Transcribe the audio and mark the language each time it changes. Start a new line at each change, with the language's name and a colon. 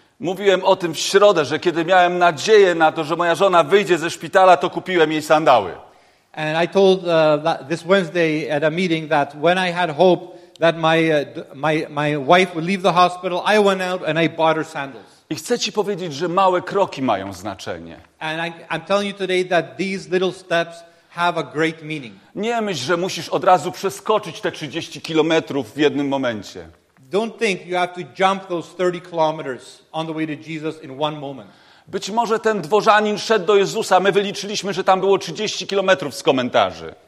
Polish: Mówiłem o tym w środę, że kiedy miałem nadzieję na to, że moja żona wyjdzie ze szpitala, to kupiłem jej sandały.
English: And I told this Wednesday at a meeting that when I had hope that my wife would leave the hospital, I went out and I bought her sandals.
Polish: I chcę ci powiedzieć, że małe kroki mają znaczenie.
English: And I'm telling you today that these little steps have a great meaning.
Polish: Nie myśl, że musisz od razu przeskoczyć te 30 kilometrów w jednym momencie.
English: Don't think you have to jump those 30 kilometers on the way to Jesus in one moment.
Polish: Być może ten dworzanin szedł do Jezusa, my wyliczyliśmy, że tam było 30 kilometrów z komentarzy.